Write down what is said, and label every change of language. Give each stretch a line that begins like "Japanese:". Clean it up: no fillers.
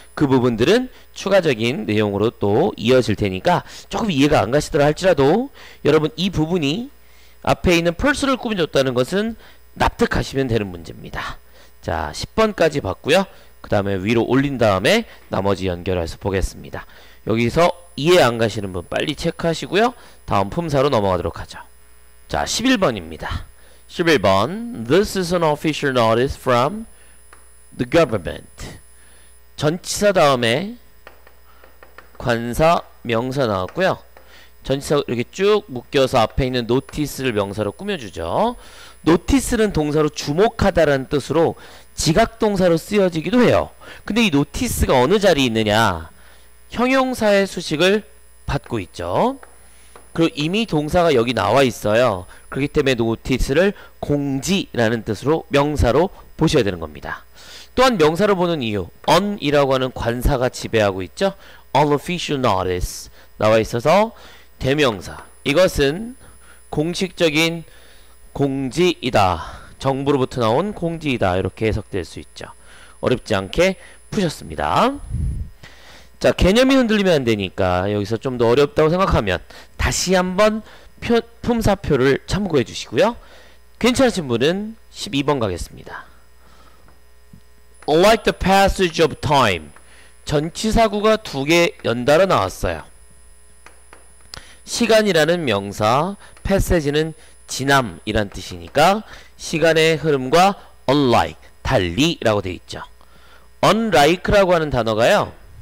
Korean: 그 부분들은 추가적인 내용으로 또 이어질 테니까 조금 이해가 안 가시더라 할지라도 여러분 이 부분이 앞에 있는 플러스를 꾸며줬다는 것은 납득하시면 되는 문제입니다. 자, 10번까지 봤고요. 그 다음에 위로 올린 다음에 나머지 연결해서 보겠습니다. 여기서 이해 안 가시는 분 빨리 체크하시고요. 다음 품사로 넘어가도록 하죠. 자, 11번입니다. 11번.
English: This is an official notice from the government.
Korean: 전치사 다음에 관사, 명사 나왔고요. 전치사 이렇게 쭉 묶여서 앞에 있는 notice를 명사로 꾸며주죠. notice는 동사로 주목하다라는 뜻으로 지각동사로 쓰여지기도 해요. 근데 이 notice가 어느 자리에 있느냐? 형용사의 수식을 받고 있죠. 그리고 이미 동사가 여기 나와 있어요. 그렇기 때문에 notice를 공지라는 뜻으로 명사로 보셔야 되는 겁니다. 또한 명사로 보는 이유, on이라고 하는 관사가 지배하고 있죠. unofficial notice 나와 있어서 대명사. 이것은 공식적인 공지이다. 정부로부터 나온 공지이다. 이렇게 해석될 수 있죠. 어렵지 않게 푸셨습니다. 자, 개념이 흔들리면 안 되니까 여기서 좀 더 어렵다고 생각하면 다시 한번 품사표를 참고해 주시고요. 괜찮으신 분은 12번 가겠습니다.
English: Like the passage of time.
Korean: 전치사구가 두 개 연달아 나왔어요. 시간이라는 명사, 패세지는 지남이란 뜻이니까 시간의 흐름과 unlike, 달리라고 되어 있죠. unlike라고 하는 단어가요.